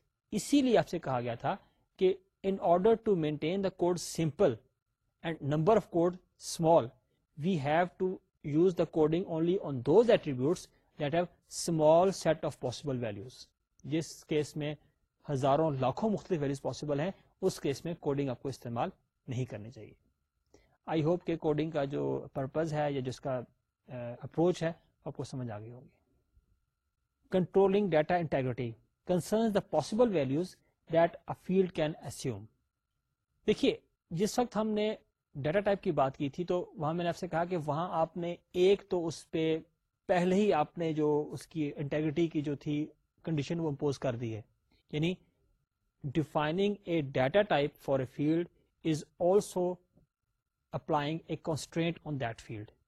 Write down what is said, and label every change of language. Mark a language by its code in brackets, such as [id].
[ur] اسی لیے آپ سے کہا گیا تھا کہ [en] In order to maintain the code simple and number of code small we have to use the coding only on those attributes that have small set of possible values. [ur] جس case میں ہزاروں لاکھوں مختلف ویلوز پاسبل ہیں اس case میں coding آپ کو استعمال نہیں کرنی چاہیے. [en] I hope [ur] کہ کوڈنگ کا جو پرپز ہے یا جس کا اپروچ ہے آپ کو سمجھ آ گئی ہوگی. [en] Controlling data integrity concerns the possible values that a field can assume. [ur] دیکھیے جس وقت ہم نے ڈیٹا ٹائپ کی بات کی تھی تو وہاں میں نے آپ سے کہا کہ وہاں آپ نے ایک تو اس پہ پہلے ہی آپ نے جو اس کی انٹیگریٹی کی جو تھی کنڈیشن وہ امپوز کر دی ہے. [en] یعنی defining a data type for a field is also applying a constraint on that field.